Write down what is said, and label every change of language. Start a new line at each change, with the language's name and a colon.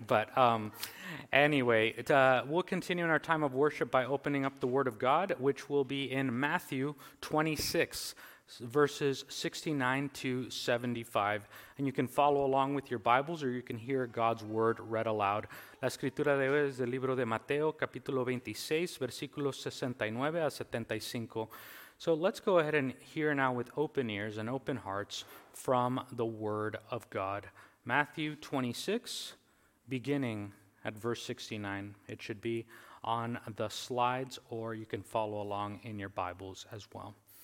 English: But we'll continue in our time of worship by opening up the Word of God, which will be in Matthew 26. Verses 69 to 75. And you can follow along with your Bibles or you can hear God's word read aloud.
Spanish: La escritura de hoy es del libro de Mateo, capítulo 26, versículos 69 a 75.
English: So let's go ahead and hear now with open ears and open hearts from the word of God. Matthew 26, beginning at verse 69. It should be on the slides or you can follow along in your Bibles as well.